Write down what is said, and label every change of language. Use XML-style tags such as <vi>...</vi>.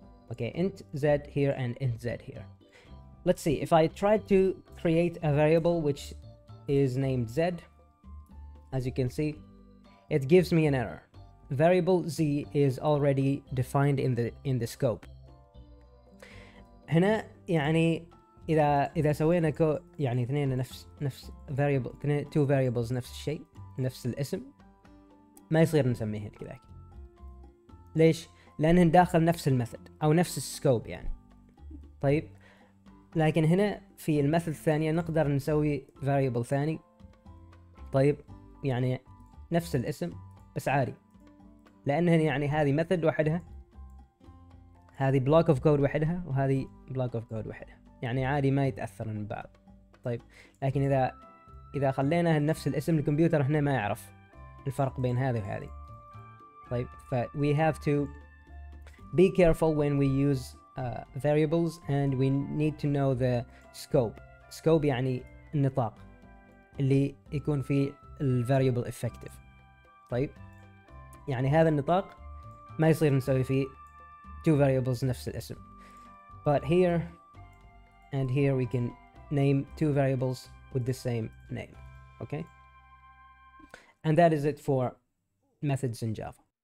<en>Okay, int z here and int z here. Let's see, if I try to create a variable which is named z, as you can see, it gives me an error. Variable z is already defined in the scope.</en> <ar>هنا يعني إذا سوينا يعني اثنين نفس variable اثنين</ar> <en>two variables</en> <ar>نفس الشيء نفس الاسم ما يصير نسميه كذا. ليش؟ لأنهن داخل نفس الميثود أو نفس السكوب يعني. طيب لكن هنا في الميثود الثانية نقدر نسوي variable ثاني. طيب يعني نفس الاسم بس عادي لأنهن يعني هذه ميثود وحدها هذه block of code وحدها وهذه block of code وحدها يعني عادي ما يتأثرن ببعض. طيب لكن إذا خلينا نفس الاسم الكمبيوتر هنا ما يعرف الفرق بين هذه وهذه.</ar> <en>طيب ف we have to be careful when we use variables and we need to know the scope.</en> <ar>Scope يعني النطاق اللي يكون فيه ال variable effective. طيب يعني هذا النطاق ما يصير نسوي فيه two variables نفس الاسم.</ar> <en>But here and here we can name two variables with the same name. Okay? And that is it for methods in Java.</en>